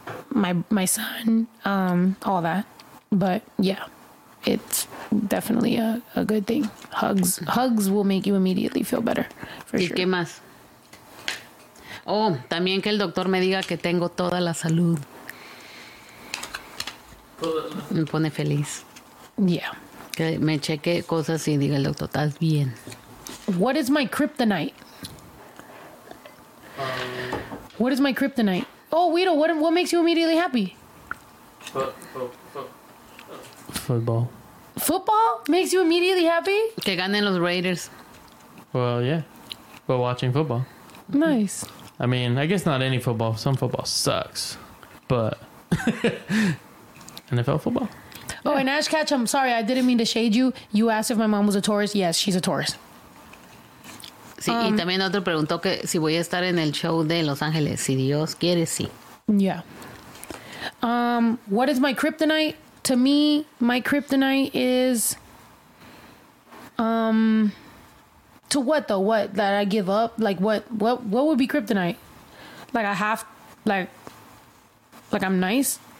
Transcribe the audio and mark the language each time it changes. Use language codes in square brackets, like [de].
[en] My son, all that. But yeah, it's definitely a good thing. Hugs will make you immediately feel better, for sure. [es] ¿Y qué más? Oh, también que el doctor me diga que tengo toda la salud. Me pone feliz. [en] Yeah. [es] Que me cheque cosas y diga el doctor, estás bien. [en] What is my kryptonite? What is my kryptonite? Oh, Wido, what makes you immediately happy? Football. Football makes you immediately happy? [es] Que ganen los Raiders. [en] Well, yeah. But watching football. Nice. I mean, I guess not any football. Some football sucks. But NFL football. Oh, yeah. And Ash Ketchum, sorry, I didn't mean to shade you. You asked if my mom was a Taurus. Yes, she's a Taurus. [es] Sí, y también otro preguntó que si voy a estar en el show de Los Ángeles. Si Dios quiere, sí. [en] Yeah. What is my kryptonite? To me, my kryptonite is To what though? What that I give up? Like what would be kryptonite? Like I have like I'm nice?